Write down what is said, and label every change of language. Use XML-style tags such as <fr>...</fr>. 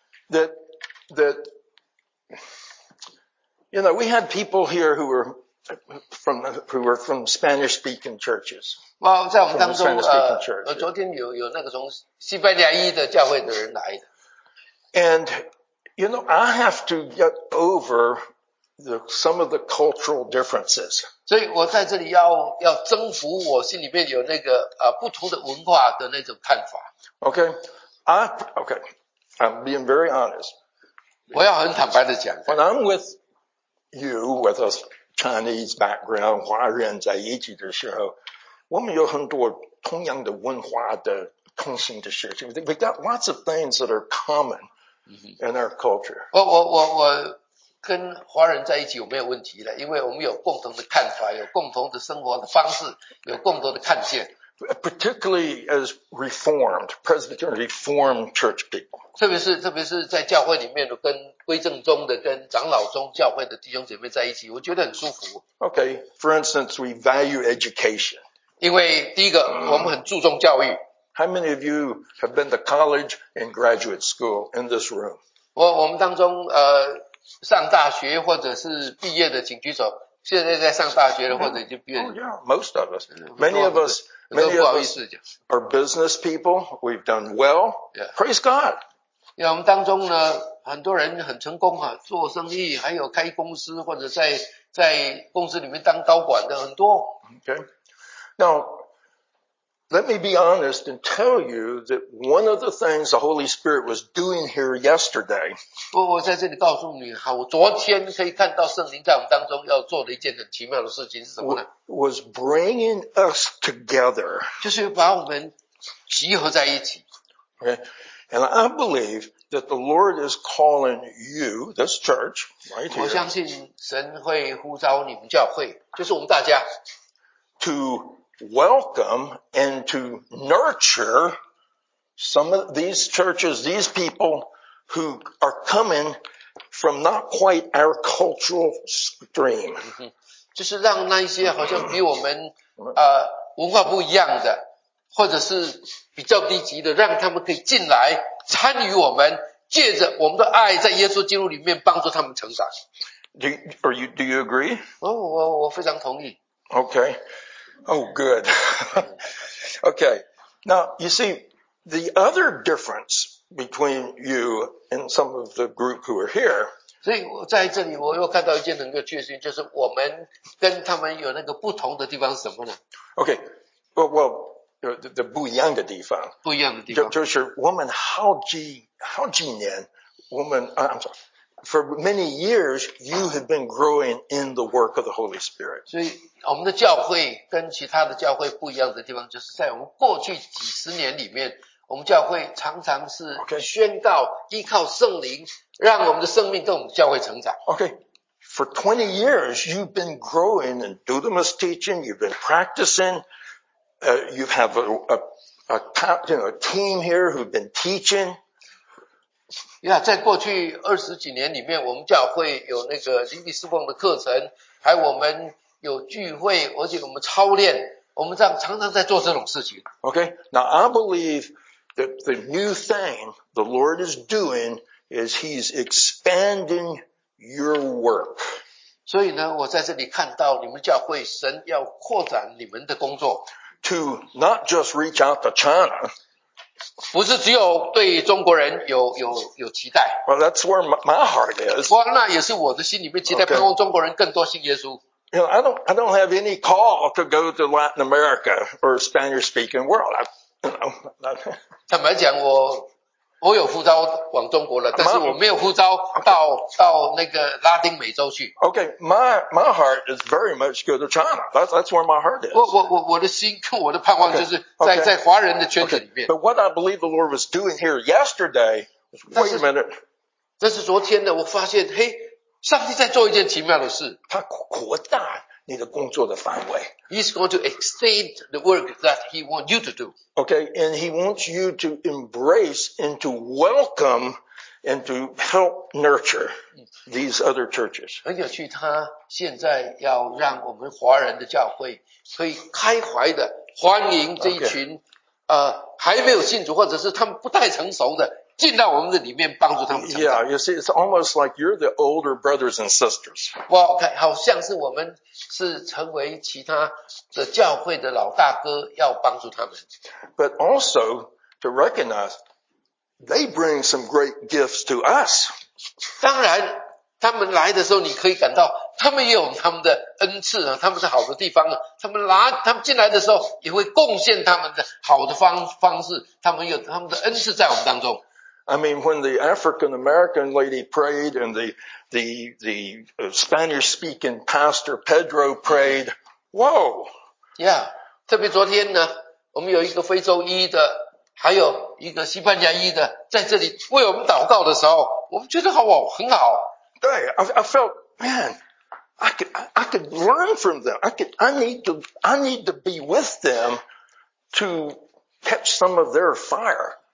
<en>That, you know, we had people here who were from Spanish speaking churches.</en> <zh>在我们当中昨天有那个从西班牙裔的教会的人来的。</zh> <en>And, you know, I have to get over some of the cultural differences.</en> <zh>所以我在这里要征服我心里面有那个不同的文化的那种看法。</zh> <en>Okay, I'm being very honest.</en> <zh>我要很坦白的讲。</zh> <en>When I'm with you, with us, Chinese background,</en> <zh>华人在一起的时候，我们有很多同样的文化的同性的事情。</zh> <en>We've got lots of things that are common in our culture.</en> <zh>我跟华人在一起我没有问题的，因为我们有共同的看法，有共同的生活的方式，有共同的看见。</zh> <en>Particularly as Reformed, Presbyterian Reformed church people.</en> <zh>特别是在教会里面跟归正宗的跟长老宗教会的弟兄姐妹在一起，我觉得很舒服。</zh> <en>Okay, for instance, we value education.</en> <zh>因为第一个我们很注重教育。</zh> <en>How many of you have been to college and graduate school in this room?</en> <zh>我们当中上大学或者是毕业的请举手，现在在上大学的或者已经毕业了。</zh> <en>Oh, yeah, most of us. Many of us are business people. We've done well. Yeah. Praise God.</en> <zh>因为我们当中呢很多人很成功啊，做生意还有开公司或者在公司里面当高管的很多。</zh> <en>Okay. Now, let me be honest and tell you that one of the things the Holy Spirit was doing here yesterday.</en> <zh>我在这里告诉你，好，我昨天可以看到圣灵在我们当中要做的一件很奇妙的事情是什么呢？</zh> <en>Was bringing us together.</en> <zh>就是把我们集合在一起。</zh> <en>Okay. And I believe that the Lord is calling you, this church, right here.</en> <zh>我相信神会呼召你们教会，就是我们大家。</zh> <en>To welcome and to nurture some of these churches, these people who are coming from not quite our cultural stream.</en> <zh>就是让那些好像比我们文化不一样的或者是比较低级的，让他们可以进来参与我们，借着我们的爱在耶稣基督里面帮助他们成长。</zh> <en>Do you agree?</en> <zh>我非常同意。</zh> <en>Okay. Oh, good. Okay. Now, you see, the other difference between you and some of the group who are here.</en> <zh>所以在这里我又看到一件很有趣的事情，就是我们跟他们有那个不同的地方是什么呢？ Okay. Well,的不一样的地方。不一样的地方。就是我们好几年</zh> <en>for many years, you have been growing in the work of the Holy Spirit.</en> <zh>所以我们的教会跟其他的教会不一样的地方，就是在我们过去几十年里面，我们教会常常是宣告依靠圣灵，让我们的生命跟我们的教会成长。</zh> <en>Okay. For 20 years, you've been growing in Dudamus teaching, you've been practicing,you have a team here who've been teaching.</en> <zh>Yeah, 在过去二十几年里面，我们教会有那个灵力侍奉的课程，还我们有聚会，而且我们操练，我们这样常常在做这种事情。</zh> <en>Okay, now I believe that the new thing the Lord is doing is He's expanding your work.</en> <zh>所以呢，我在这里看到你们教会神要扩展你们的工作。</zh> <en>To not just reach out to China.</en> <zh>不是只有对中国人有期待。</zh> <en>Well, that's where my heart is.</en> <zh>那也是我的心里面期待，盼望中国人更多信耶稣。</zh> <en>You know, I don't have any call to go to Latin America or Spanish speaking world. I</en> <zh>坦白讲，我有呼召往中国了，但是我没有呼召到那个拉丁美洲去。</zh> <en>Okay, my heart is very much go to China. That's where my heart is.</en> <zh>我的心跟我的盼望就是在华人的圈子里面。</zh> <en>Okay. But what I believe the Lord was doing here yesterday, wait a minute.</en> <zh>这是昨天的，我发现嘿，上帝在做一件奇妙的事。他扩大你的工作的范围。</zh> <en>He's going to extend the work that he wants you to do. Okay, and he wants you to embrace and to welcome and to help nurture these other churches.</en> <zh>很有趣，他现在要让我们华人的教会可以开怀的欢迎这一群、okay. 还没有信主或者是他们不太成熟的进到我们的里面帮助他们成长。</zh> <en>Yeah, you see, it's almost like you're the older brothers and sisters.</en> <zh>Well, okay, 好像是我们是成为其他的教会的老大哥要帮助他们。</zh> <en>But also to recognize they bring some great gifts to us.</en> <zh>当然他们来的时候你可以感到他们也有他们的恩赐，他们的好的地方，他们进来的时候也会贡献他们的好的方式，他们有他们的恩赐在我们当中。</zh> <en>I mean, when the African American lady prayed and the Spanish speaking pastor Pedro prayed, whoa!</en> <zh>Yeah, 特别昨天呢，我们有一个非洲裔的，还有一个西班牙裔的，在这里为我们祷告的时候，我们觉得好，很好。对,</zh> <en>I felt, man, I could learn from them. I need to be with them to catch some of their fire.</en>